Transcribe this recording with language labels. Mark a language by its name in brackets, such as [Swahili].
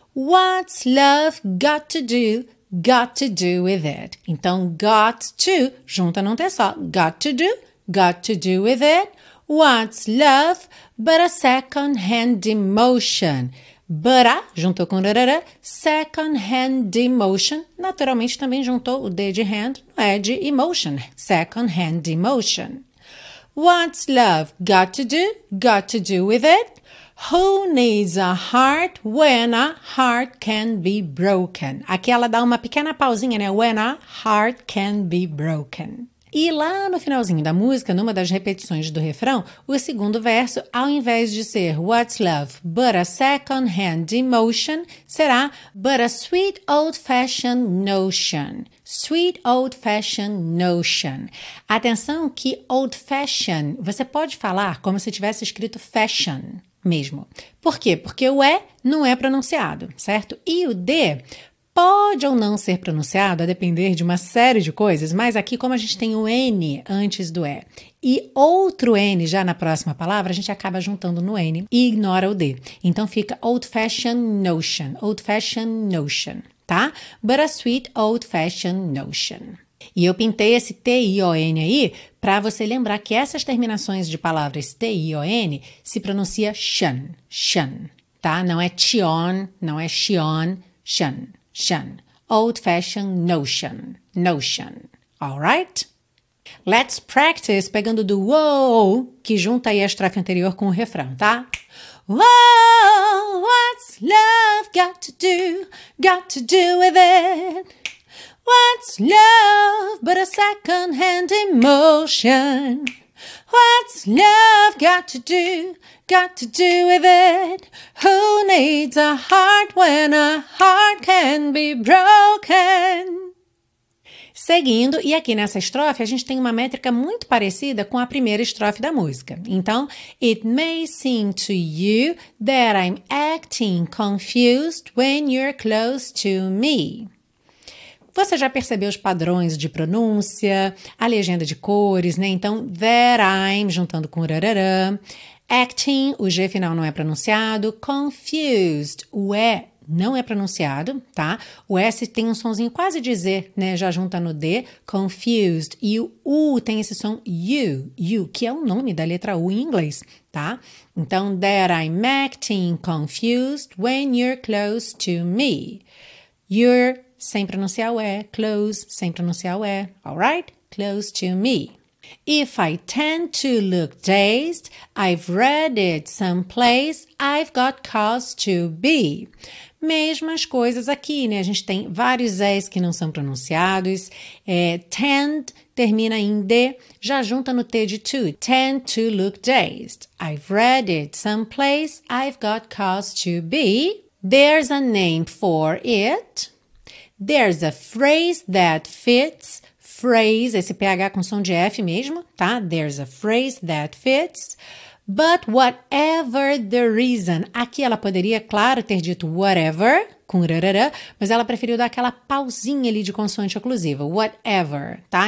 [English] What's love got to do with it? [Portuguese] Então, got to, junta num T só. [English] Got to do with it. What's love but a second-hand emotion? [Portuguese] But a, juntou com rarara, second-hand emotion. Naturalmente, também juntou o D de hand, não é de emotion. [English] Second-hand emotion. What's love got to do with it? Who needs a heart when a heart can be broken? [Portuguese] Aqui ela dá uma pequena pausinha, né? [English] When a heart can be broken. [Portuguese] E lá no finalzinho da música, numa das repetições do refrão, o segundo verso, ao invés de ser [English] What's love but a second-hand emotion, [Portuguese] será [English] But a sweet old-fashioned notion. Sweet old-fashioned notion. [Portuguese] Atenção que old-fashioned, você pode falar como se tivesse escrito fashion. Mesmo. Por quê? Porque o E não é pronunciado, certo? E o D pode ou não ser pronunciado, a depender de uma série de coisas, mas aqui, como a gente tem o N antes do E e outro N já na próxima palavra, a gente acaba juntando no N e ignora o D. Então, fica old-fashioned notion, tá? [English] But a sweet old-fashioned notion. [Portuguese] E eu pintei esse T-I-O-N aí para você lembrar que essas terminações de palavras T-I-O-N se pronuncia shun, shun, tá? Não é tion, não é shion, shun, shun. [English] Old-fashioned notion, notion, alright? Let's practice [Portuguese] pegando do wow, que junta aí a estrofe anterior com o refrão, tá? [English] Wow, what's love got to do with it? What's love but a second-hand emotion? What's love got to do with it? Who needs a heart when a heart can be broken? [Portuguese] Seguindo, e aqui nessa estrofe, a gente tem uma métrica muito parecida com a primeira estrofe da música. [English] Então, it may seem to you that I'm acting confused when you're close to me. [Portuguese] Você já percebeu os padrões de pronúncia, a legenda de cores, né? Então, that I'm, juntando com rarara, acting, o G final não é pronunciado, confused, o E não é pronunciado, tá? O S tem um sonzinho quase de Z, né? Já junta no D, confused, e o U tem esse som U, U, que é o nome da letra U em inglês, tá? [English] Então, that I'm acting confused when you're close to me. [Portuguese] You're sem pronunciar o E, close, sem pronunciar o E, alright? [English] Close to me. If I tend to look dazed, I've read it someplace, I've got cause to be. [Portuguese] Mesmas coisas aqui, né? A gente tem vários E's que não são pronunciados. É, tend termina em D, já junta no T de to. [English] Tend to look dazed, I've read it someplace, I've got cause to be. There's a name for it. There's a phrase that fits, phrase, [Portuguese] esse PH com som de F mesmo, tá? [English] There's a phrase that fits, but whatever the reason, [Portuguese] aqui ela poderia, claro, ter dito whatever, com rarara, mas ela preferiu dar aquela pausinha ali de consoante oclusiva, whatever, tá?